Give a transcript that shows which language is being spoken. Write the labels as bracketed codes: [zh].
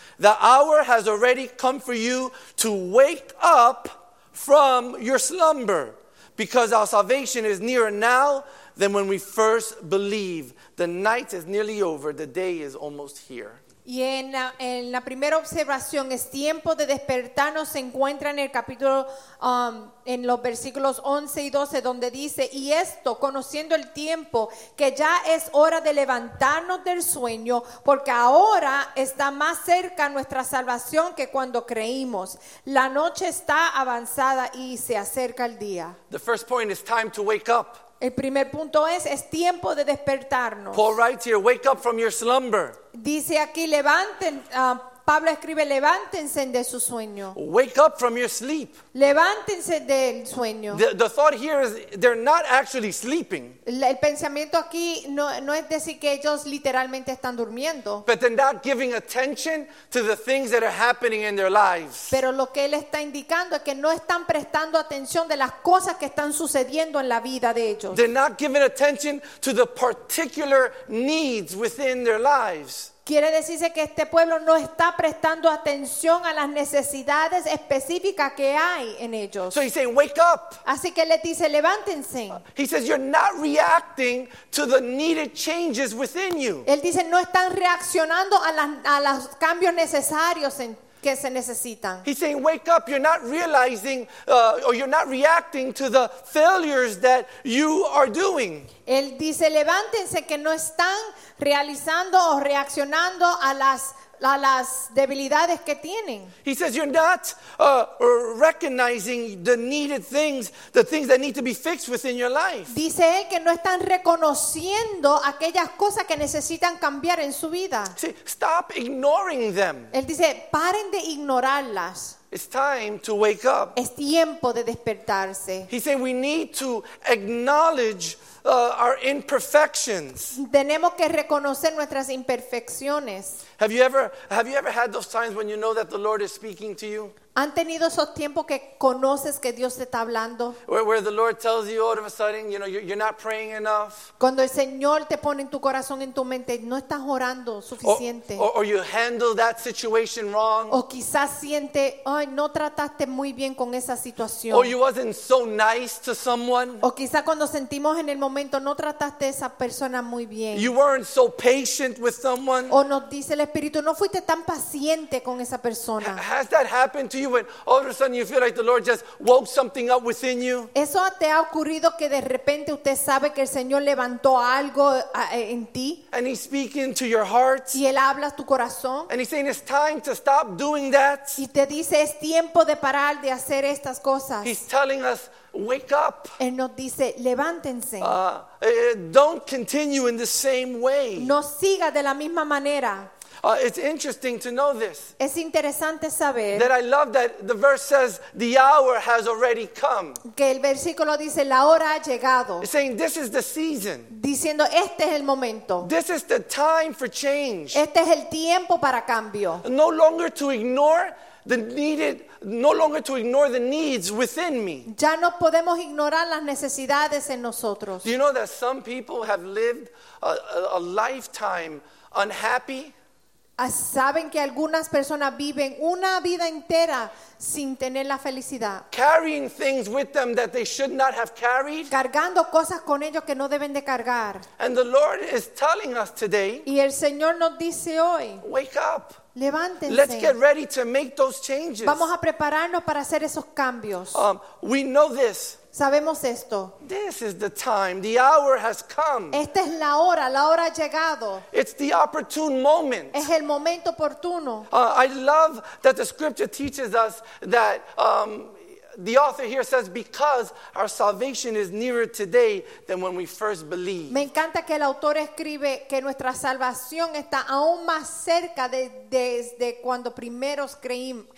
[en] The hour has already come for you to wake up from your slumber, because our salvation is nearer now than when we first believed. The night is nearly over, the day is almost here." [es] Y en la primera observación, es tiempo de despertarnos, se encuentra en el capítulo, en los versículos 11 y 12, donde dice, y esto, conociendo el tiempo, que ya es hora de levantarnos del sueño, porque ahora está más cerca nuestra salvación que cuando creímos. La noche está avanzada y se acerca el día. [en] The first point is time to wake up. [es] El primer punto es tiempo de despertarnos. [en] Paul writes here, wake up from your slumber. [es] Dice aquí, Pablo escribe, levántense de su sueño. [en] Wake up from your sleep. [es] Levántense del sueño. [en] The thought here is they're not actually sleeping. [es] El pensamiento aquí no es decir que ellos literalmente están durmiendo. [en] But they're not giving attention to the things that are happening in their lives. [es] Pero lo que él está indicando es que no están prestando atención de las cosas que están sucediendo en la vida de ellos. [en] They're not giving attention to the particular needs within their lives. [es] Quiere decirse que este pueblo no está prestando atención a las necesidades específicas que hay en ellos. [en] So he's saying, wake up. [es] Así que les dice, levántense. [en] He says, you're not reacting to the needed changes within you. [es] Él dice, no están reaccionando a los cambios necesarios en que se necesitan. [en] He's saying, wake up, you're not realizing or you're not reacting to the failures that you are doing. [es] Él dice, levántense, que no están realizando o reaccionando a las debilidades que tienen. [en] He says, you're not recognizing the needed things, the things that need to be fixed within your life. [es] Dice él que no están reconociendo aquellas cosas que necesitan cambiar en su vida. [en] See, stop ignoring them. [es] Él dice, paren de ignorarlas. [en] It's time to wake up. [es] Es tiempo de despertarse. [en] He said, we need to acknowledge our imperfections. [es] Tenemos que reconocer nuestras imperfecciones. [en] Have you ever had those times when you know that the Lord is speaking to you? [es] ¿Han tenido esos tiempos que conoces que Dios te está hablando? [en] Where the Lord tells you all of a sudden, you know, you're not praying enough. [es] Cuando el Señor te pone en tu corazón, en tu mente, no estás orando suficiente. [en] Or you handle that situation wrong. [es] O quizás siente, ay, no trataste muy bien con esa situación. [en] Or you wasn't so nice to someone. [es] O quizás cuando sentimos en el momento, no trataste a esa persona muy bien. [en] You weren't so patient with someone. [es] O nos dice el Espíritu, no fuiste tan paciente con esa persona. [en] Has that happened to you when all of a sudden you feel like the Lord just woke something up within you? [es] ¿Eso te ha ocurrido que de repente usted sabe que el Señor levantó algo en ti? [en] And he's speaking to your heart. [es] Y él habla a tu corazón. [en] And he's saying it's time to stop doing that. [es] Y te dice, es tiempo de parar de hacer estas cosas. [en] He's telling us, wake up. [es] Él nos dice, levántense. [en] Don't continue in the same way. [es] No siga de la misma manera. [en] It's interesting to know this. [es] Es interesante saber [en] that I love that the verse says the hour has already come. [es] Que el versículo dice la hora ha llegado. [en] It's saying this is the season. [es] Diciendo este es el momento. [en] This is the time for change. [es] Este es el tiempo para cambio. [en] No longer to ignore the needed, no longer to ignore the needs within me. [es] Ya no podemos ignorar las necesidades en nosotros. [en] Do you know that some people have lived a lifetime unhappy? [es] ¿Saben que algunas personas viven una vida entera sin tener la felicidad? [en] Carrying things with them that they should not have carried. [es] Cargando cosas con ellos que no deben de cargar. [en] And the Lord is telling us today. [es] Y el Señor nos dice hoy. [en] Wake up. [es] Levántense. [en] Let's get ready to make those changes. [es] Vamos a prepararnos para hacer esos cambios. [en] We know this. [es] Sabemos esto. [en] This is the time. The hour has come. [es] Esta es la hora. La hora ha llegado. [en] It's the opportune moment. [es] Es el momento oportuno. [en] I love that the scripture teaches us that the author here says, because our salvation is nearer today than when we first believed. [es] Me encanta que el autor escribe que nuestra salvación está aún más cerca de desde cuando primeros creímos.